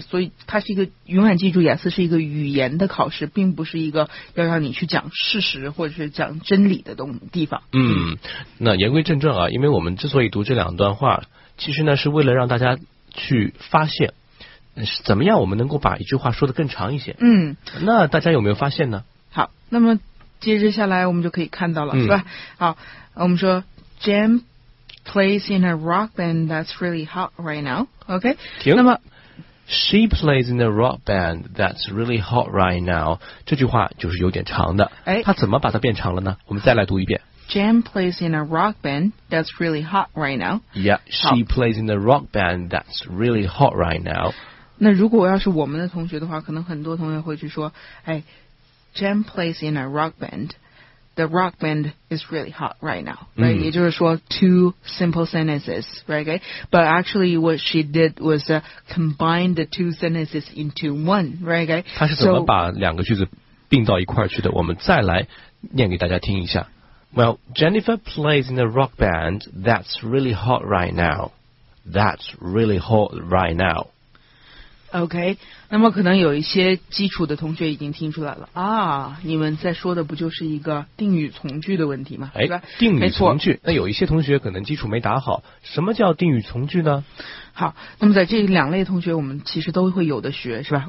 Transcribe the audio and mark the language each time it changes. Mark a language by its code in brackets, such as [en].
[zh] 所以它是一个永远记住雅思是一个语言的考试，并不是一个要让你去讲事实或者是讲真理的地方。嗯，那言归正传啊，因为我们之所以读这两段话，其实呢是为了让大家去发现。怎么样我们能够把一句话说得更长一些，嗯，那大家有没有发现呢？好，那么接着下来我们就可以看到了，是吧？好，我们说 [en] Jen plays in a rock band that's really hot right now, OK? [zh] 停。那么 [en] She plays in a rock band that's really hot right now, [zh] 这句话就是有点长的，哎，他怎么把它变长了呢？我们再来读一遍。 [en] Jen plays in a rock band that's really hot right now. Yeah, she plays in a rock band that's really hot right now. [zh] 那如果要是我们的同学的话，可能很多同学会去说，哎 ， [en] Jen plays in a rock band. The rock band is really hot right now. Right,、 [zh] 也就是说 [en] two simple sentences, right? But actually, what she did was combine the two sentences into one, right? [zh] 她是怎么把两个句子并到一块去的？我们再来念给大家听一下。 [en] Well, Jennifer plays in a rock band that's really hot right now. That's really hot right now. [zh] OK， 那么可能有一些基础的同学已经听出来了啊，你们在说的不就是一个定语从句的问题吗？哎，定语从句，那有一些同学可能基础没打好，什么叫定语从句呢？好，那么在这两类同学我们其实都会有的学，是吧？